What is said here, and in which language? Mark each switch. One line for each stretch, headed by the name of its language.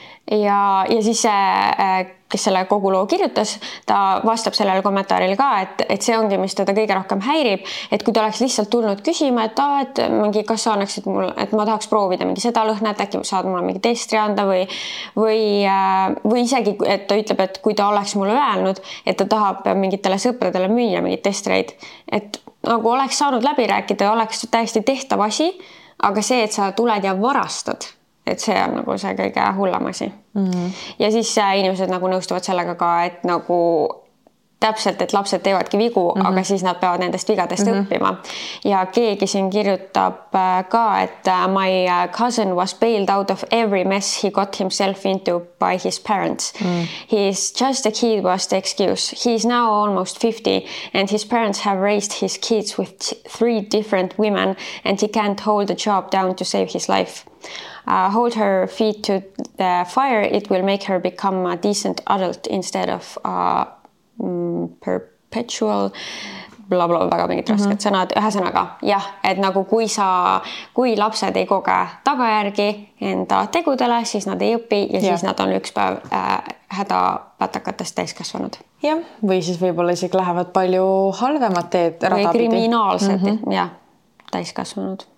Estonian: Ja siis see, kes selle kogu loo kirjutas, ta vastab sellel kommentaaril ka, et, et see ongi, mis teda kõige rohkem häirib, et kui ta oleks lihtsalt tulnud küsima, et, ah, et mingi kas sa annaks, et, mul, et ma tahaks proovida mingi seda lõhna, et äkki saad mulle mingi testri anda või, või, või isegi, et ta ütleb, et kui ta oleks mulle öelnud, et ta tahab mingitele sõpradele müüa mingit testreid, et nagu oleks saanud läbi rääkida ja oleks täiesti tehtav asi, aga see, et sa tuled ja varastad. Et see on nagu see kõige hullamasi. Ja siis inimesed nagu nõustuvad sellega ka, et nagu täpselt, et lapsed teevadki vigu, aga siis nad peavad nendest vigadest õppima. Ja keegi siin kirjutab ka, et
English: my cousin was bailed out of every mess he got himself into by his parents. He is just a kid was the excuse. He is now almost 50 and his parents have raised his kids with three different women and he can't hold a job down to save his life. Hold her feet to the fire, it will make her become a decent adult instead of perpetual blah, blah,
Estonian: väga mingit rasked sõnad. Ühesõnaga, jah, et nagu kui sa, kui lapsed ei koge tagajärgi enda tegudele, siis nad ei õpi ja siis nad on üks päev häda patakatest täiskasvanud. Jah, või siis võibolla isik lähevad palju halvemat teed või kriminaalsed, jah, täiskasvanud.